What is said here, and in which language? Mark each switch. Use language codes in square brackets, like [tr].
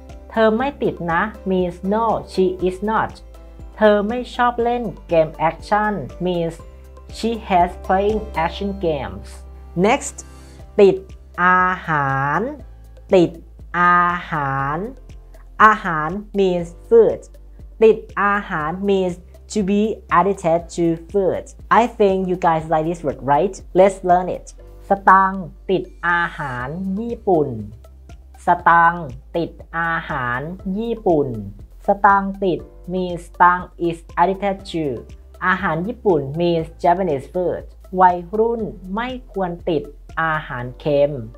[th] เธอไม่ติดนะ [en] means no, she is not. [th] เธอไม่ชอบเล่นเกม [en] action means she has playing action games. Next, [th] ติดอาหาร ติดอาหาร อาหาร [en] means food. [th] ติดอาหาร [en] means to be addicted to food. I think you guys like this word, right? Let's learn it. [th] สตังติดอาหารญี่ปุ่นสตังติดอาหารญี่ปุ่นสตังติด [en] means stung is addicted to [th] อาหารญี่ปุ่น [en] means Japanese food [th] วัยรุ่นไม่ควรติดอาหารเค็ม